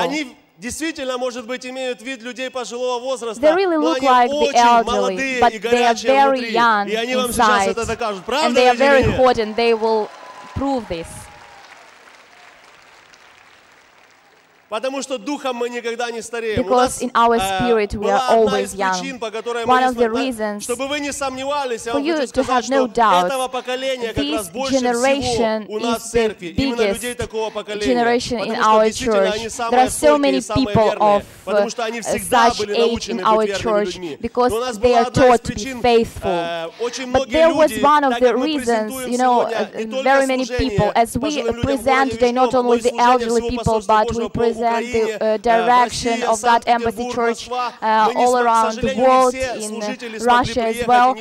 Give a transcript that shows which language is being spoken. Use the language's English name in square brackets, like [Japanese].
[Russian] Они действительно, может быть, имеют вид людей пожилого возраста, но они очень молодые и горячие внутри, и они вам сейчас это докажут. Правда ли или нет? [English] Prove this. [Russian] Потому что духом мы никогда не стареем. [English] Because in our spirit we are always young. One of the reasons. [Russian] Чтобы вы не сомневались, я вам хочу сказать, что этого поколения как раз больше всего у нас в церкви. Именно людей такого поколения. Потому что действительно они самые стойкие и самые верные. Потому что они всегда были научены быть верными людьми. [English] Because they are taught to be faithful. But there was one of the reasons, you know, very many people, as we present today, not only the elderly people, but we present the direction of that embassy church all around the world, in Russia as well.